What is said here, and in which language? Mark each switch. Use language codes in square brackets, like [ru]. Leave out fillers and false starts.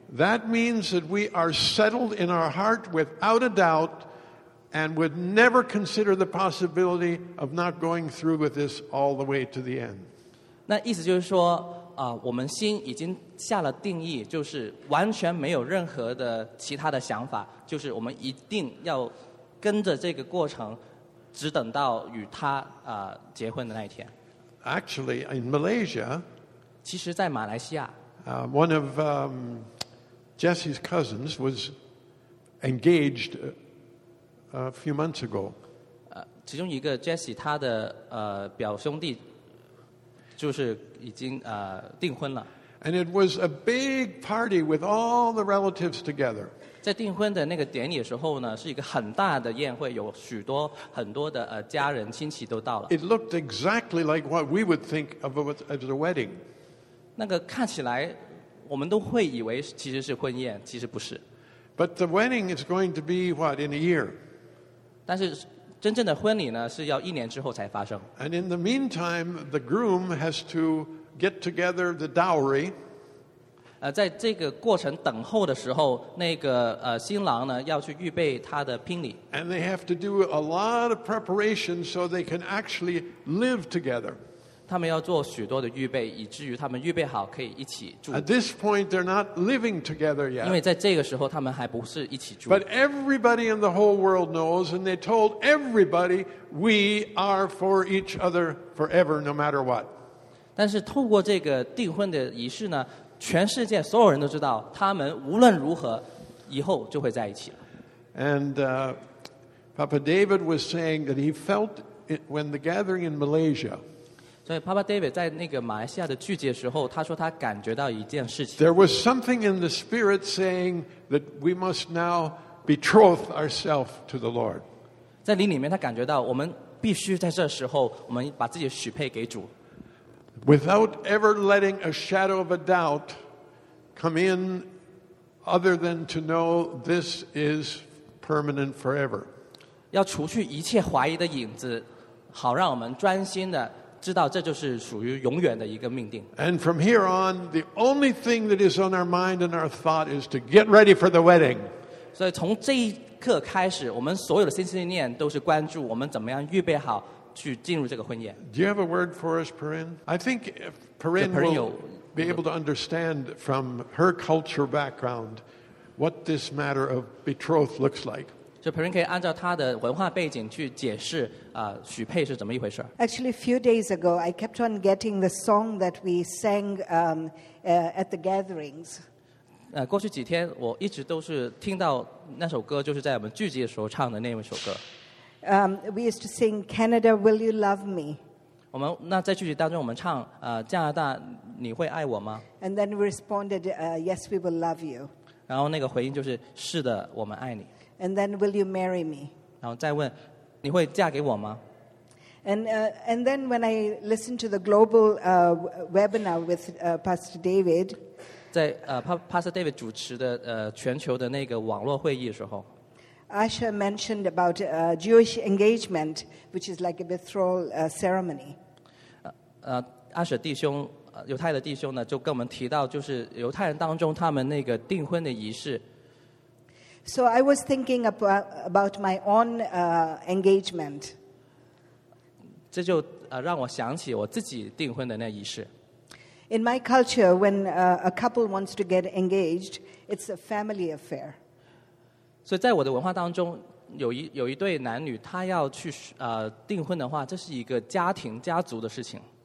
[en] That means that we are settled in our heart without a doubt and would never consider the possibility of not going through with this all the way to the end. [zh] 那意思就是说我们心已经下了定义就是完全没有任何的其他的想法就是我们一定要跟着这个过程只等到与他结婚的那一天。 [en] Actually, in Malaysia, [zh] 其实在马来西亚 [en] One of Jesse's cousins was engaged a few months ago. [zh] 其中一个 Jesse 他的表兄弟就是已经订婚了。 [en] And it was a big party with all the relatives together. [zh] 在订婚的那个典礼的时候呢，是一个很大的宴会，有许多很多的家人亲戚都到了。 [en] It looked exactly like what we would think of as a wedding. [zh] 那个看起来，我们都会以为其实是婚宴，其实不是。 [en] But the wedding is going to be what in a year? [zh] 但是真正的婚礼呢，是要一年之后才发生。 [en] And in the meantime, the groom has to get together the dowry. [zh] 在这个过程等候的时候，那个新郎呢，要去预备他的聘礼。 [en] And they have to do a lot of preparation so they can actually live together. [zh] 他们要做许多的预备，以至于他们预备好可以一起住。 [en] At this point, they're not living together yet. [zh] 因为在这个时候，他们还不是一起住。 [en] But everybody in the whole world knows, and they told everybody, we are for each other forever, no matter what. [zh] 但是透过这个订婚的仪式呢，全世界所有人都知道，他们无论如何，以后就会在一起了。 [en] And Papa David was saying that he felt it when the gathering in Malaysia. [zh] 所以 Papa David 在那个马来西亚的聚集的时候，他说他感觉到一件事情。 [en] There was something in the spirit saying that we must now betroth ourselves to the Lord. [zh] 在灵里面，他感觉到我们必须在这时候，我们把自己许配给主。 [en] Without ever letting a shadow of a doubt come in, other than to know this is permanent forever. [zh] 要除去一切怀疑的影子，好让我们专心的知道这就是属于永远的一个命定。 [en] And from here on, the only thing that is on our mind and our thought is to get ready for the wedding. [zh] 所以从这一刻开始，我们所有的心思念都是关注我们怎么样预备好。 [en] Do you have a word for us, Perrin? I think Perrin will be able to understand from her culture background what this matter of betrothed looks like. So Perrin can [zh] 按照她的文化背景去解释许配是怎么一回事。 [en] Actually, a few days ago, I kept on getting the song that we sang at the gatherings. [zh] 过去几天我一直都是听到那首歌，就是在我们聚集的时候唱的那一首歌。 [en] We used to sing Canada, will you love me? [zh] 我们那在剧集当中，我们唱加拿大，你会爱我吗 [en] ？And then we responded, yes, we will love you. [zh] 然后那个回应就是是的，我们爱你。 [en] And then will you marry me? [zh] 然后再问，你会嫁给我吗 [en] ？And then when I listened to the global webinar with Pastor David, [zh] 在Pastor David 主持的全球的那个网络会议的时候。 [en] Asha mentioned about a Jewish engagement, which is like a betrothal ceremony. [zh] Asha 弟兄，犹太的弟兄呢，就跟我们提到，就是犹太人当中他们那个订婚的仪式。 [en] So I was thinking about my own engagement. [zh] 这就让我想起我自己订婚的那仪式。 [en] In my culture, when a couple wants to get engaged, it's a family affair. [zh] 所以在我的文化当中，有一对男女，他要去订婚的话，这是一个家庭家族的事情。